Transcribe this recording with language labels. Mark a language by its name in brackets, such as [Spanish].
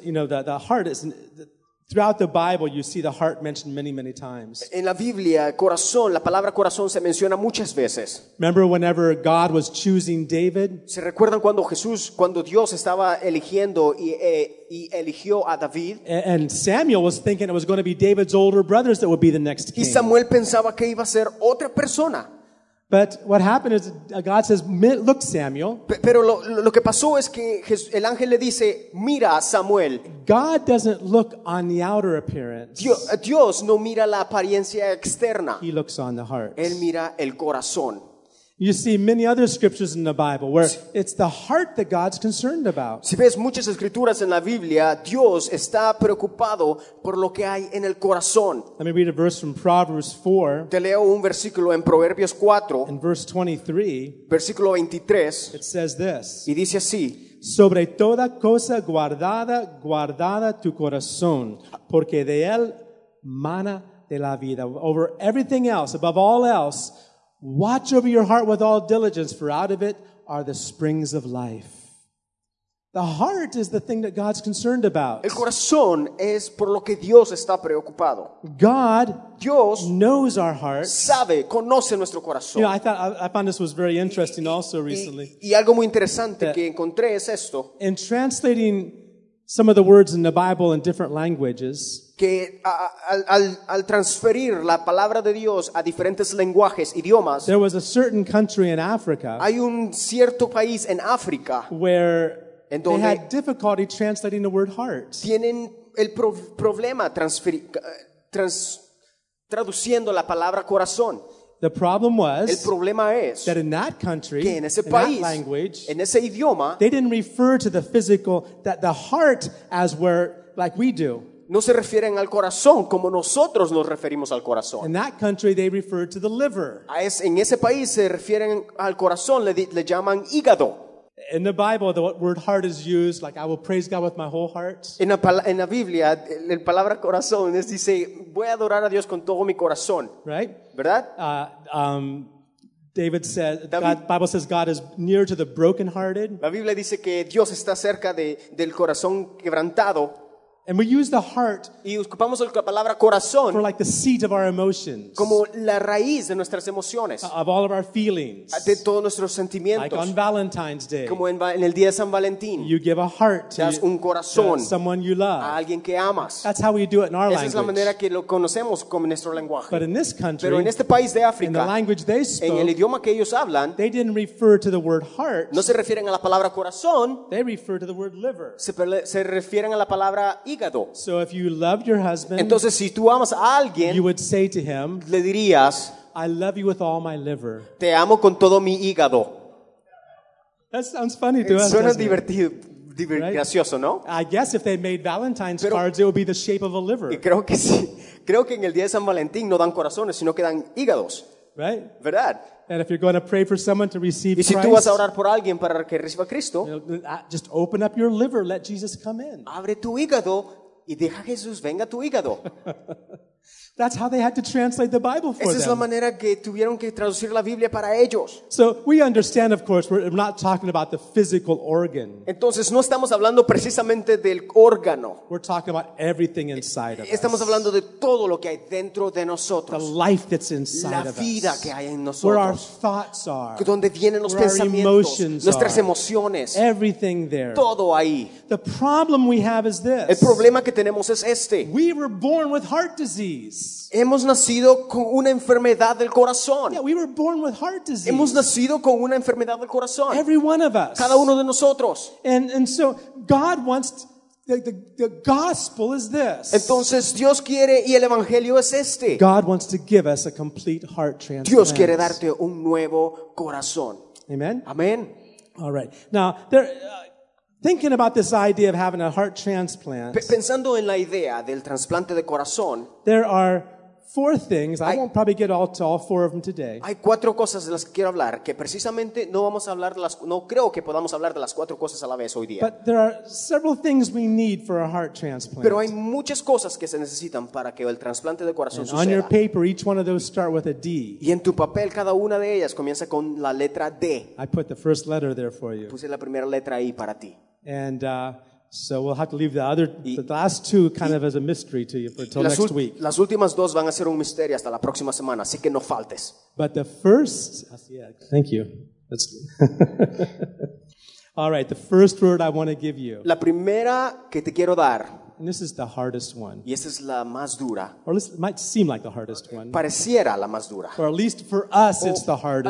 [English] In, you know, the heart is in, throughout the Bible. You see the heart mentioned many, many times. [Spanish] En la Biblia, corazón, la palabra corazón se menciona muchas veces. [English] Remember whenever God was choosing David? [Spanish] ¿Se recuerdan cuando Jesús, cuando Dios estaba eligiendo y eligió a David? [English] And Samuel was thinking it was going to be David's older brothers that would be the next king. [Spanish] Y Samuel pensaba que iba a ser otra persona. [English] But what happened is God says, "Look, Samuel." [Spanish] Pero lo que pasó es que el ángel le dice, "Mira, Samuel." [English] God doesn't look on the outer appearance. [Spanish] Dios no mira la apariencia externa. [English] He looks on the heart. [Spanish] Él mira el corazón. [English] You see many other scriptures in the Bible where it's the heart that God's concerned about. [Spanish] Si ves muchas escrituras en la Biblia, Dios está preocupado por lo que hay en el corazón. [English] Let me read a verse from Proverbs 4. [Spanish] Te leo un versículo en Proverbios 4. [English] In verse 23. [Spanish] Versículo 23. [English] It says this. [Spanish] Y dice así. Sobre toda cosa guardada, guardada tu corazón, porque de él mana de la vida. [English] Over everything else, above all else, watch over your heart with all diligence, for out of it are the springs of life. The heart is the thing that God's concerned about. [Spanish] El corazón es por lo que Dios está preocupado. [English] God, [Spanish] Dios [English] knows our hearts. [Spanish] Sabe, conoce nuestro corazón. [English] You know, I found this was very interesting also recently. [Spanish] Y algo muy interesante que encontré es esto. [English] In translating some of the words in the Bible in different languages. [Spanish] Que al transferir la palabra de Dios a diferentes lenguajes, idiomas. [English] There was a certain country in Africa. [Spanish] Hay un cierto país en África. [English] Where they had difficulty translating the word heart. [Spanish] Tienen el problema traduciendo la palabra corazón. [English] The problem was [Spanish] el problema es [English] that in that country, [Spanish] que en ese país, [English] in that language, [Spanish] en ese idioma, [English] they didn't refer to the physical, that the heart as where, like we do. [Spanish] No se refieren al corazón como nosotros nos referimos al corazón. [English] In that country, they refer to the liver. [Spanish] En ese país se refieren al corazón, le llaman hígado. [English] In the Bible, the word heart is used, like, I will praise God with my whole heart. [Spanish] En la Biblia, la palabra corazón es, dice, voy a adorar a Dios con todo mi corazón. [English] Right? [Spanish] ¿Verdad? [English] David said, the Bible says God is near to the brokenhearted. [Spanish] La Biblia dice que Dios está cerca del corazón quebrantado. [English] And we use the heart [Spanish] y ocupamos la palabra corazón [English] for like the seat of our emotions. [Spanish] Como la raíz de nuestras emociones. [English] Of all of our feelings. [Spanish] De todos nuestros sentimientos. [English] Like on Valentine's Day. [Spanish] Como en el día de San Valentín. [English] You give a heart [Spanish] un corazón [English] to someone you love. [Spanish] A alguien que amas. [English] That's how we do it in our [Spanish] Esa [English] language. [Spanish] Es la manera que lo conocemos como nuestro lenguaje. [English] But in this country, [Spanish] Pero en este país de África, [English] in the language they spoke, [Spanish] en el idioma que ellos hablan, [English] they didn't refer to the word heart. [Spanish] No se refieren a la palabra corazón. [English] They refer to the word liver. [Spanish] Se refieren a la palabra [English] So if you love your husband, [Spanish] Entonces, si tú amas a alguien, [English] you would say to him, [Spanish] le dirías, [English] I love you with all my liver. [Spanish] Te amo con todo mi hígado. [English] That sounds funny to us. [Spanish] Suena divertido, right? Gracioso, ¿no? [English] I guess if they made Valentine's cards, it would be the shape of a liver. [Spanish] Y creo que sí. Creo que en el día de San Valentín no dan corazones, sino que dan hígados. [English] Right? [Spanish] ¿Verdad? [English] And if you're going to pray for someone to receive Christ, [Spanish] y si tú vas a orar por alguien para que reciba a Cristo, [English] just open up your liver, let Jesus come in. [Spanish] Abre tu hígado y deja Jesús venga a tu hígado. [English] That's how they had to translate the Bible for them. [Spanish] Esa es la manera que tuvieron que traducir la Biblia para ellos. [English] So we understand, of course, we're not talking about the physical organ. [Spanish] Entonces no estamos hablando precisamente del órgano. [English] We're talking about everything inside of us. [Spanish] Estamos hablando de todo lo que hay dentro de nosotros. [English] The life that's inside of us. [Spanish] La vida que hay en nosotros. [English] Where our thoughts are. [Spanish] Donde vienen los pensamientos. [English] Where our emotions are. [Spanish] Nuestras emociones. [English] Everything there. [Spanish] Todo ahí. [English] The problem we have is this. [Spanish] El problema que tenemos es este. [English] We were born with heart disease. [Spanish] Hemos nacido con una enfermedad del corazón. [English] Yeah, we were born with heart disease. [Spanish] Hemos nacido con una enfermedad del corazón. [English] Every one of us. [Spanish] Cada uno de nosotros. [English] And so God wants the gospel is this. [Spanish] Entonces Dios quiere y el evangelio es este. [English] God wants to give us a complete heart transplant. [Spanish] Dios quiere darte un nuevo corazón. [English] Amen. [Spanish] Amen. [English] All right. Now there. Thinking about this idea of having a heart transplant. [Spanish] Pensando en la idea del trasplante de corazón. [English] There are four things. I won't probably get all four of them today. [Spanish] Hay cuatro cosas de las que quiero hablar que precisamente no vamos a hablar de las no creo que podamos hablar de las cuatro cosas a la vez hoy día. [English] But there are several things we need for a heart transplant. [Spanish] Pero hay muchas cosas que se necesitan para que el trasplante de corazón [English] and On your paper, each one of those start with a D. [Spanish] Y en tu papel cada una de ellas comienza con la letra D. [English] I put the first letter there for you. [Spanish] Puse la primera letra ahí para ti. [English] And so we'll have to leave the last two kind of as a mystery to you until next week. [Spanish] Las últimas dos van a ser un misterio hasta la próxima semana, así que no faltes. [English] But the first, thank you. That's All right, the first word I want to give you. [Spanish] La primera que te quiero dar. [English] And this is the hardest one. [Spanish] Y esa es la más dura. [English] Or at least it might seem like the hardest one. [Spanish] Pareciera la más dura. [English] Or at least for us, it's the hardest one.